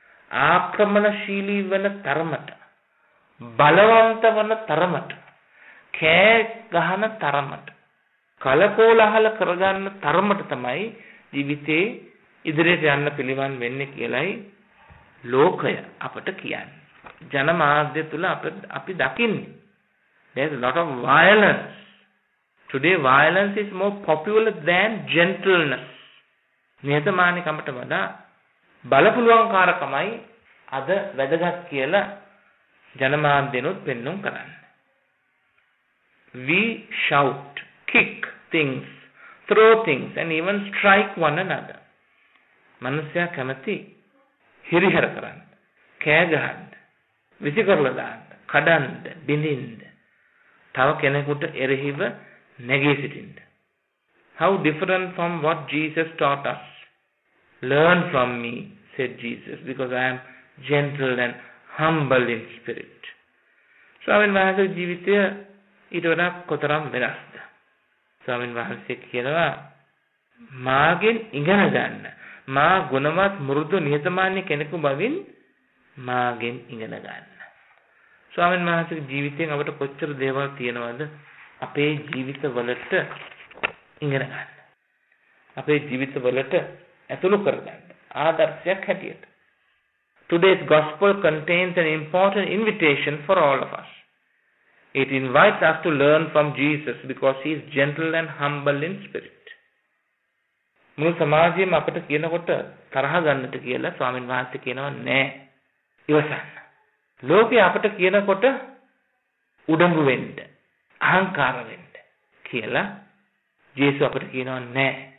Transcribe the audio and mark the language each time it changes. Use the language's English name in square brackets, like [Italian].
[Sinhala] ආක්‍රමණශීලී වන තරමට, බලවන්ත වන තරමට, කෑ ගහන තරමට, කලකෝලහල කරගන්න තරමට තමයි ජීවිතේ ඉදිරියට යන්න පිළිවන් වෙන්නේ කියලයි ලෝකය අපට කියන්නේ. ජනමාධ්‍ය තුළ අපි දකින්නේ. [English] There's a lot of violence. Today violence is more popular than gentleness. [Sinhala] නිහතමානීකමට වඩා බලපුලුවන්කාරකමයි අද වැදගත් කියලා ජනමාධ්‍යනොත් පෙන්නුම් කරන්නේ. [English] We shout, kick things, throw things and even strike one another. [Sinhala] මනුෂ්‍යයා කැමති හිරිහැර කරන්න, කෑ ගහන්න, විසිකරලා දාන්න, කඩන්න, බිඳින්න, තව කෙනෙකුට එරෙහිව නැගී සිටින්න. [English] How different from what Jesus taught us. Learn from me, said Jesus, because I am gentle and humble in spirit. [Sinhala] ස්වාමීන් වහන්සේ ජීවිතය ඊට වඩා කොතරම් වෙනස්ද? ස්වාමීන් වහන්සේ කියනවා මාගෙන් ඉගෙන ගන්න. මා ගුණවත් මෘදු නිහතමානී කෙනෙකු බවින් මාගෙන් ඉගෙන ගන්න. ස්වාමීන් වහන්සේ ජීවිතයෙන් අපට කොච්චර දේවල් තියෙනවද අපේ ජීවිතවලට ඉගෙන ගන්න. අපේ ජීවිතවලට ඇතුළු කරගන්න ආදර්ශයක් හැටියට. [English] Today's gospel contains an important invitation for all of us. It invites us to learn from Jesus because he is gentle and humble in spirit. [Sinhala] මුළු සමාජයම අපට කියනකොට තරහ ගන්නට කියලා ස්වාමීන් වහන්සේ කියනවා නෑ. ඉවසන්න. ලෝකේ අපට කියනකොට උඩඟු වෙන්න, අහංකාර වෙන්න කියලා ජේසු අපට කියනවා නෑ.